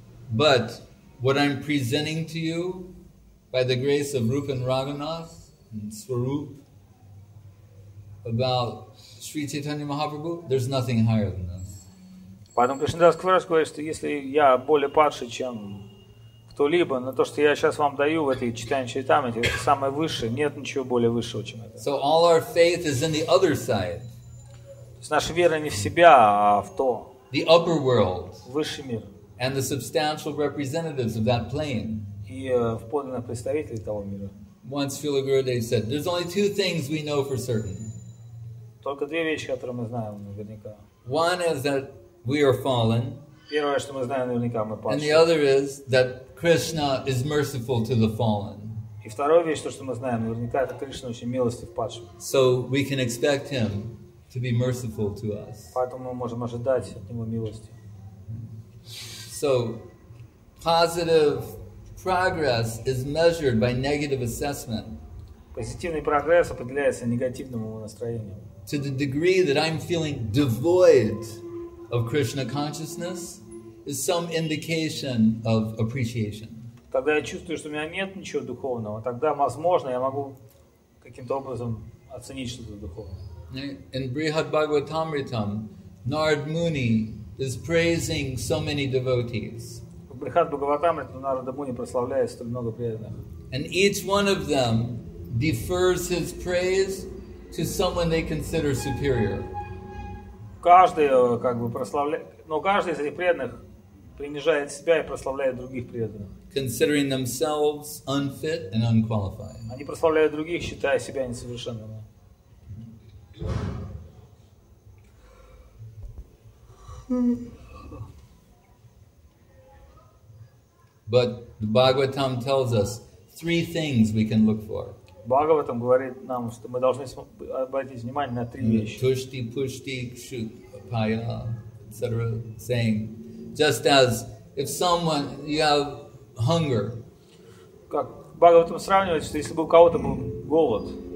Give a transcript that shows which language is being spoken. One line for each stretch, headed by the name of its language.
English: But what I'm presenting to you by the grace of Rupa and Raghunath and Swarup about Sri Chaitanya Mahaprabhu, there's nothing higher than this.
Russian: Потом Кришнадас Кавираж говорит, что если я более падший, чем кто-либо, но то, что я сейчас вам даю в этой читании Чайтамати, это самое высшее, нет ничего более высшего, чем это.
English: So all our faith is in the other side.
Russian: То есть наша вера не в себя, а в то.
English: The upper world.
Russian: Высший мир.
English: And the substantial representatives of that plane.
Russian: И в подлинных представителей того мира.
English: Once Srila Gurudev said, there's only two things we know for certain.
Russian: Только две вещи, которые мы знаем наверняка.
English: One is that we are fallen.
Russian: Первое, что мы знаем наверняка, мы падшие.
English: And the other is that Krishna is merciful to the fallen.
Russian: И второе вещь, что мы знаем наверняка, это Кришна очень милостив падшим.
English: So we can expect him to be merciful to us.
Russian: Поэтому мы можем ожидать от него милости.
English: So, positive progress is measured by negative assessment.
Russian: Позитивный прогресс определяется негативным настроением.
English: To the degree that I'm feeling devoid of Krishna consciousness is some indication of appreciation.
Russian: Когда я чувствую, что у меня нет ничего духовного, тогда, возможно, я могу каким-то образом оценить что-то духовное.
English: In Brihad Bhagavatamritam, Narad Muni is praising so many devotees.
Russian: Брихад Бхагаватамрита Нарада Муни прославляет столь много преданных.
English: And each one of them defers his praise to someone they consider superior.
Russian: Каждый как бы прославляет, но каждый из этих преданных принижает себя и прославляет других преданных.
English: Considering themselves unfit and unqualified.
Russian: Они прославляют других, считая себя несовершенными.
English: But the Bhagavatam tells us three things we can look for.
Russian: Bhagavatam говорит нам, что мы должны обратить внимание на три вещи.
Sanskrit: Tushti, pushti, kshupaya, etc.
English: Saying, just as if someone, you have hunger.
Russian: Как Бхагаватам сравнивает, что если бы у кого-то был голод.